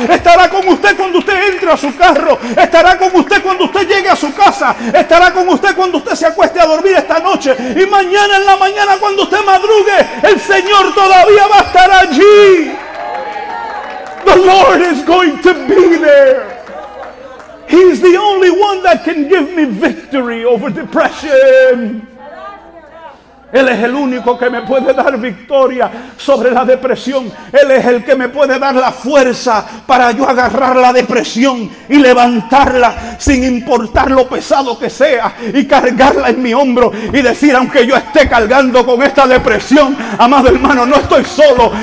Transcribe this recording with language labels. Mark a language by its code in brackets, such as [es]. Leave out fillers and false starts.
[es] Estará con usted cuando usted entre a su carro. Estará con usted cuando usted llegue a su casa. Estará con usted cuando usted se acueste a dormir esta noche. Y mañana en la mañana cuando usted madrugue, el Señor todavía va a estar allí. [en] The Lord is going to be there. He's the only one that can give me victory over depression. [es] Él es el único que me puede dar victoria sobre la depresión. Él es el que me puede dar la fuerza para yo agarrar la depresión y levantarla sin importar lo pesado que sea y cargarla en mi hombro y decir, aunque yo esté cargando con esta depresión, amado hermano, no estoy solo.